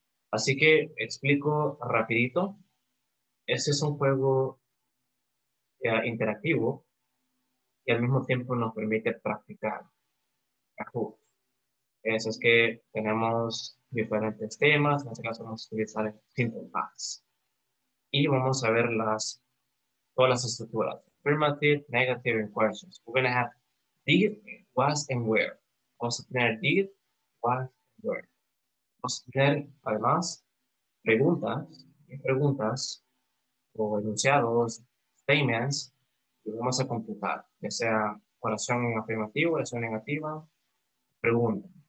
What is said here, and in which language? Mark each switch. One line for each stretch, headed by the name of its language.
Spanish: Así que explico rapidito. Este es un juego interactivo y al mismo tiempo nos permite practicar. Eso es que tenemos diferentes temas, en este caso vamos a utilizar simple facts. Y vamos a ver las, todas las estructuras.
English: Affirmative, negative, and questions. We're going to have did, was, and where.
Spanish: Vamos a tener did, was, and where. Vamos a tener, además, preguntas, y preguntas, o enunciados, statements, que vamos a completar, ya sea oración en afirmativo, oración negativa, pregunta.